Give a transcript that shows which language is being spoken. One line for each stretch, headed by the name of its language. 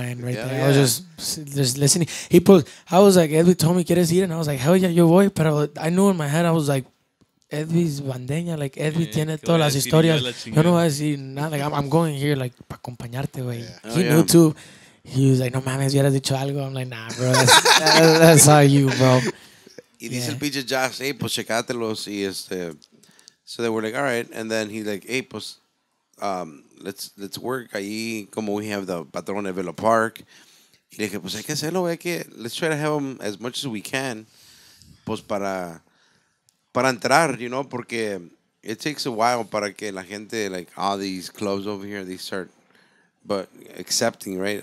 English: Mind right yeah, there. Yeah. I was just listening. He put. I was like, Edwin told me,
Spanish: ¿quieres ir?
English: And I was like, hell yeah,
Spanish: yo voy.
English: Pero I knew in my head, I was like, Edwin's bandeña. Like, Edwin yeah,
Spanish: tiene todas las historias. Yo no voy a decir nada.
English: Like, I'm going here, like,
Spanish: para acompañarte, güey.
English: Yeah. He knew too.
Spanish: He was like, no mames, ya has dicho algo.
English: I'm like, nah, bro, that's all you, bro.
Spanish: Y dice el pinche Josh, hey, pues, checatelos. Y este,
English: so they were like, all right. And then he's like, hey, pues, let's work ahí, como we have the Patrón de Velo Park.
Spanish: Y le dije, pues, hay que hacerlo, hay que,
English: let's try to have them as much as we can,
Spanish: pues, para, para entrar,
English: you know, porque it takes a while
Spanish: para que la gente,
English: like, all these clubs over here, they start but accepting, right?